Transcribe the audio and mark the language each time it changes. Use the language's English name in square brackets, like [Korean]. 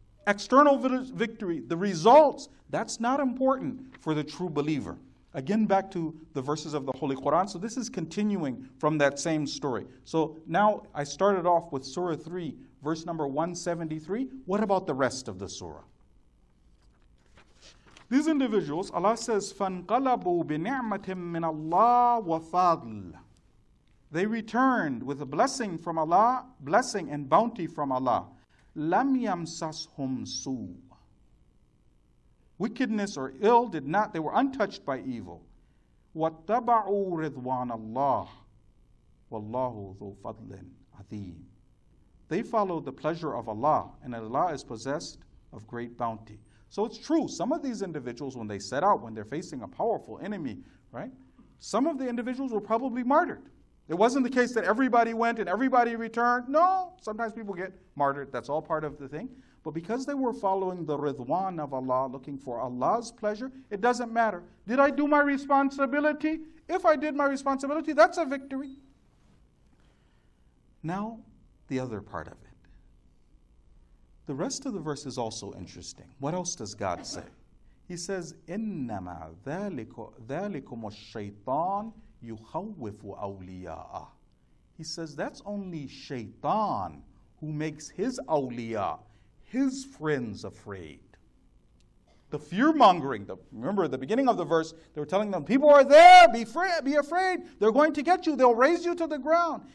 [English] External victory, the results, that's not important for the true believer. Again, back to the verses of the Holy Quran. So this is continuing from that same story. So now I started off with Surah 3, verse number 173. What about the rest of the surah? These individuals, Allah says, [Arabic] فَانْقَلَبُوا بِنِعْمَةٍ مِّنَ اللَّهِ وَفَضْلٍ. [English] They returned with a blessing from Allah, blessing and bounty from Allah. [Arabic] لَمْ يَمْسَسْهُمْ سُوءٌ. [English] Wickedness or ill did not, they were untouched by evil. [Arabic] وَاتَّبَعُوا رِضْوَانَ اللَّهِ وَاللَّهُ ذُو فَضْلٍ عَظِيمٍ. [English] They followed the pleasure of Allah, and Allah is possessed of great bounty. So it's true, some of these individuals, when they set out, when they're facing a powerful enemy, right? Some of the individuals were probably martyred. It wasn't the case that everybody went and everybody returned. No, sometimes people get martyred. That's all part of the thing. But because they were following the ridwan of Allah, looking for Allah's pleasure, it doesn't matter. Did I do my responsibility? If I did my responsibility, that's a victory. Now, the other part of it. The rest of the verse is also interesting. What else does God say? He says, [Arabic] إِنَّمَا ذَلِكُمُ الشَّيْطَانِ يُخَوِّفُ أَوْلِيَاءَ. [English] He says, that's only shaitan who makes his awliya, his friends, afraid. The fear-mongering, remember at the beginning of the verse, they were telling them, people are there, be afraid, they're going to get you, they'll raise you to the ground.